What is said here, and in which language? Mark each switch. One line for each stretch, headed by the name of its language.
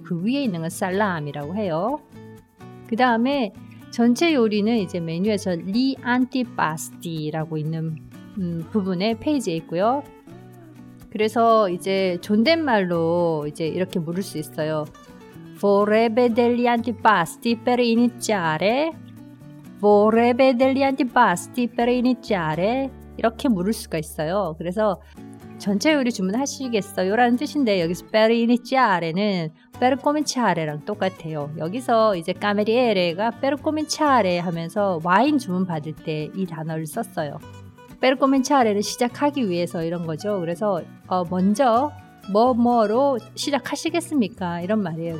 Korean: 그 위에 있는 건 살라함이라고 해요. 그 다음에 전체 요리는 이제 메뉴에서 리 안티파스티라고 있는 부분에 페이지에 있고요. 그래서 이제 존댓말로 이제 이렇게 물을 수 있어요.
Italian: Vorrebbe degli antipasti per iniziare? Vorrebbe degli antipasti per iniziare?
Korean: 이렇게 물을 수가 있어요. 그래서 전체 요리 주문하시겠어요? 라는 뜻인데 여기서 per iniziare는 per cominciare랑 똑같아요. 여기서 이제 까메리에레가 per cominciare 하면서 와인 주문 받을 때 이 단어를 썼어요. 페르코멘차레를 시작하기 위해서 이런 거죠. 그래서 먼저 뭐뭐로 시작하시겠습니까? 이런 말이에요.